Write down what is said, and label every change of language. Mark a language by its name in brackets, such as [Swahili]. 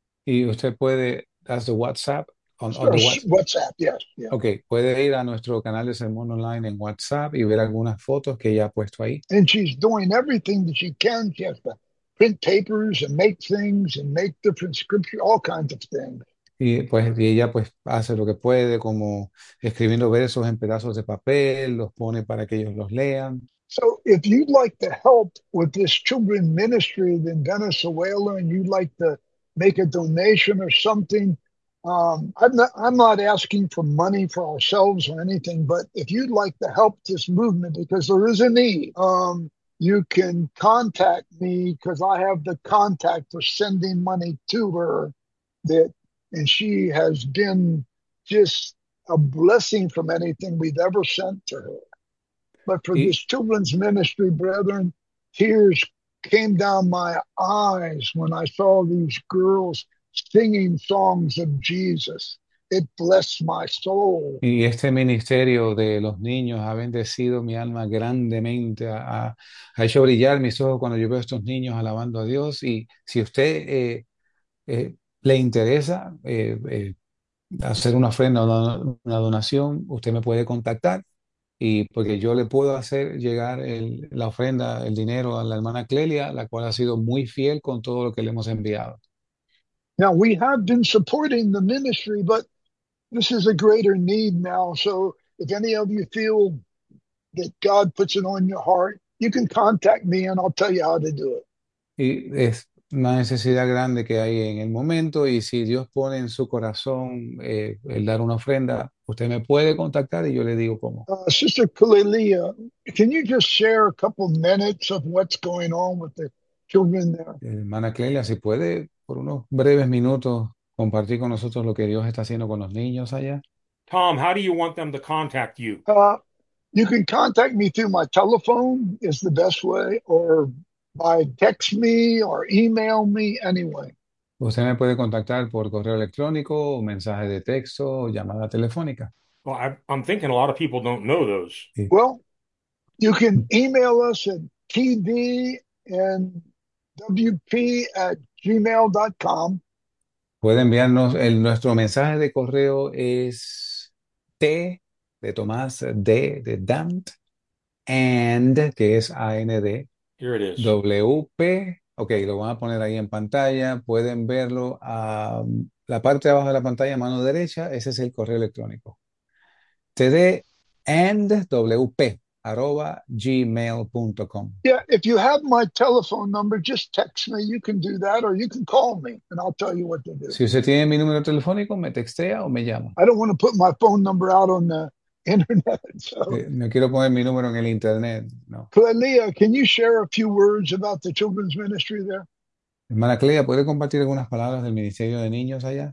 [Spanish] Y usted puede, [English] that's the WhatsApp, on the WhatsApp. WhatsApp, yes. [Spanish] Ok, puede ir a nuestro canal de sermón online en WhatsApp y ver algunas fotos que ella ha puesto ahí. [English] And she's doing everything that she can. She has to print papers and make things and make different scripture, all kinds of things. [Spanish] Y ella pues hace lo que puede, como escribiendo versos en pedazos de papel, los pone para que ellos los lean. [English] So if you'd like to help with this children ministry in Venezuela and you'd like to make a donation or something, I'm not asking for money for ourselves or anything, but if you'd like to help this movement because there is a need, you can contact me because I have the contact for sending money to her that and she has been just a blessing from anything we've ever sent to her. But for this children's ministry, brethren, tears came down my eyes when I saw these girls singing songs of Jesus. It blessed my soul. [Spanish] Y este ministerio de los niños ha bendecido mi alma grandemente, ha hecho brillar mis ojos cuando yo veo a estos niños alabando a Dios. Y si usted le interesa hacer una ofrenda o una donación, usted me puede contactar. Y porque yo le puedo hacer llegar la ofrenda, el dinero a la hermana Clelia, la cual ha sido muy fiel con todo lo que le hemos enviado. [English] Now, we have been supporting the ministry, but this is a greater need now. So, if any of you feel that God puts it on your heart, You can contact me and I'll tell you how to do it. [Spanish] Y es una necesidad grande que hay en el momento, y si Dios pone en su corazón el dar una ofrenda, usted me puede contactar y yo le digo cómo. [English] Sister Kalilia, can you just share a couple minutes of what's going on with the children there? [Spanish] Hermana Clelia, si puede, por unos breves minutos, compartir con nosotros lo que Dios está haciendo con los niños allá. [English] Tom, how do you want them to contact you? You can contact me through my telephone is the best way, or by text me or email me anyway. [Spanish] Usted me puede contactar por correo electrónico, mensaje de texto o llamada telefónica. [English] Well, I'm thinking a lot of people don't know those. Well, you can email us at td and wp at gmail.com. [Spanish] Puede enviarnos nuestro mensaje de correo es T de Tomás, D de Dant, and que es AND, [English] Here it is. WP. [Spanish] Ok, lo van a poner ahí en pantalla. Pueden verlo a la parte de abajo de la pantalla, mano derecha. Ese es el correo electrónico. TD and WP arroba gmail.com. [English] Yeah, if you have my telephone number, just text me. You can do that, or you can call me and I'll tell you what to do. [Spanish] Si usted tiene mi número telefónico, me textea o me llama. [English] I don't want to put my phone number out on the internet, so. [Spanish] No quiero poner mi número en el internet, no. [English] Clelia, can you share a few words about the children's ministry there? [Spanish] Hermana Clea, ¿puede compartir algunas palabras del Ministerio de Niños allá?